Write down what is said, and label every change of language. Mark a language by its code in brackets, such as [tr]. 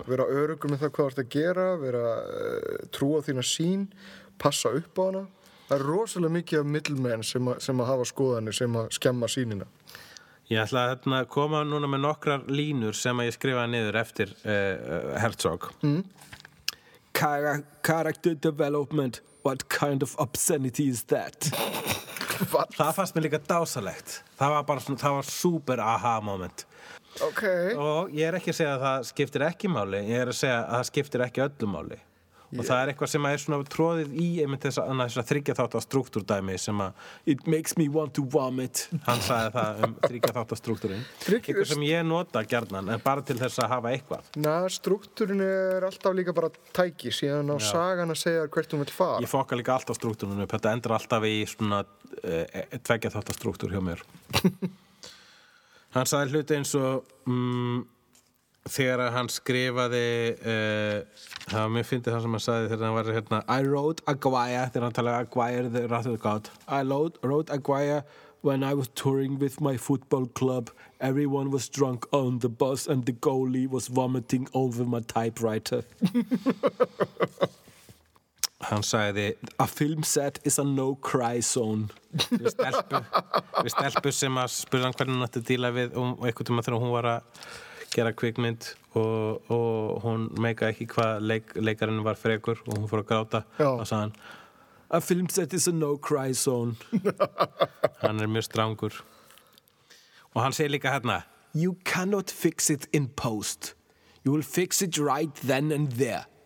[is] Já, vera örugur með það hvað þú ert að gera, vera trúa þína sín, passa upp á hana. Það rosalega mikið af middlemen sem að hafa skoðanir, sem að skemma sínina. Ég ætla að hérna, koma núna með nokkrar línur sem að ég skrifaði niður eftir Herzog. [en] Character development, what kind of obscenity is that? [is] Það fannst mér líka dásalegt. Það var bara svona, það var [en] super aha moment. [is] Ok. Og ég ekki að segja að það skiptir ekki máli, ég að segja að það skiptir ekki öllu máli. Yeah. Og það eitthvað sem svona troðið í einmitt þessa, þessa þriggjaþátta struktúrdæmi sem að [en] It makes me want to vomit. [is] Hann sagði það þriggjaþátta struktúrin. Eitthvað sem ég nota gjarnan, en bara til þess að hafa eitthvað. Na, struktúrin alltaf líka bara tæki síðan á Já. Sagan að segja hvert hún vill fara. Ég fokka líka alltaf struktúrinu upp, þetta endur alltaf í svona tveggjaþátta struktúr hjá mér. Hann sagði hluti eins og... Þegar hann skrifaði það var mér fyndið það sem hann sagði þegar hann var hérna [en] I wrote Aguaya [is] þegar hann talaði [en] Aguaya the Wrath of God I wrote Aguaya when I was touring with my football club everyone was drunk on the bus and the goalie was vomiting over my typewriter [is] Hann sagði [en] A film set is a no cry zone [is] við stelpu sem að spurði hann hvernig hann ætti að díla við og einhvern tímann þegar hún var að gera kvikmynd og hún meika ekki hvað leikarinn var frekur og hún fór að gráta og sagði hann [en] A film set is a no cry zone [is] Hann mjög strangur og hann segir líka hérna [en] You cannot fix it in post You will fix it right then and there